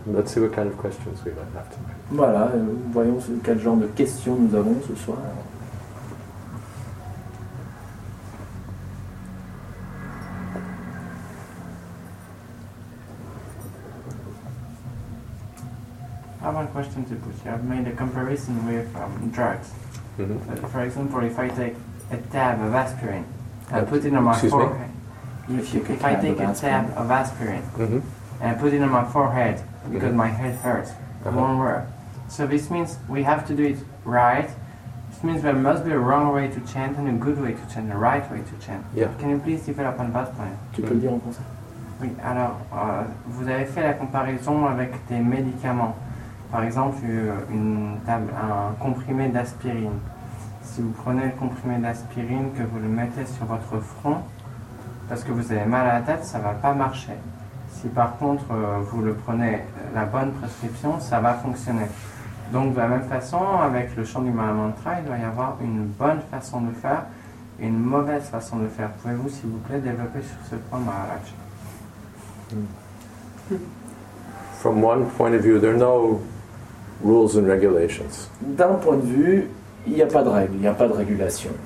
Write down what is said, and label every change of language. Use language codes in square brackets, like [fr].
[en] Let's see what kind of questions we might have tonight. [fr] Voilà. Voyons quel genre de questions nous avons ce soir. [en] I have one question to put here. I've made a comparison with drugs. Mm-hmm. For example, if I take a tab of aspirin, I put it on my forehead. If I take a tab of aspirin mm-hmm. and I put it on my forehead because mm-hmm. my head hurts, it uh-huh. won't work. So this means we have to do it right. This means there must be a wrong way to chant and a good way to chant, a right way to chant. Yeah. Can you please develop on that point? [fr] Tu peux le dire en français? Oui, alors, vous avez fait la comparaison avec des médicaments. Par exemple, un comprimé d'aspirine. Si vous prenez le comprimé d'aspirine, que vous le mettez sur votre front, parce que vous avez mal à la tête, ça ne va pas marcher. Si par contre, vous le prenez la bonne prescription, ça va fonctionner. Donc, de la même façon, avec le chant du Mahamantra, il doit y avoir une bonne façon de faire et une mauvaise façon de faire. Pouvez-vous, s'il vous plaît, développer sur ce point, Maharaj? [en] From one point of view, there are no rules and regulations. [fr] D'un point de vue, il n'y a pas de règles, il n'y a pas de régulation.